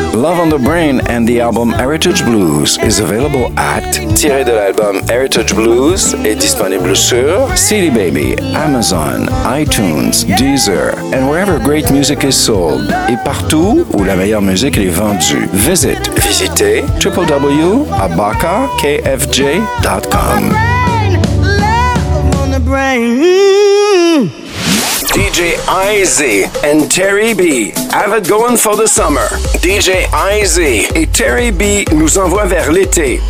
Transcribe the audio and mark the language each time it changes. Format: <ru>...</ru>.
<en>Love on the Brain and the album Heritage Blues is available at</en> <fr>tiré de l'album Heritage Blues est disponible sur</fr> <en>CD Baby, Amazon, iTunes, Deezer and wherever great music is sold.</en> <fr>Et partout où la meilleure musique est vendue. Visitez www.abacakfj.com.</fr> <en>Love on the brain. DJ IZ and Terry B have it going for the summer.</en> <fr>DJ IZ et Terry B nous envoient vers l'été.</fr>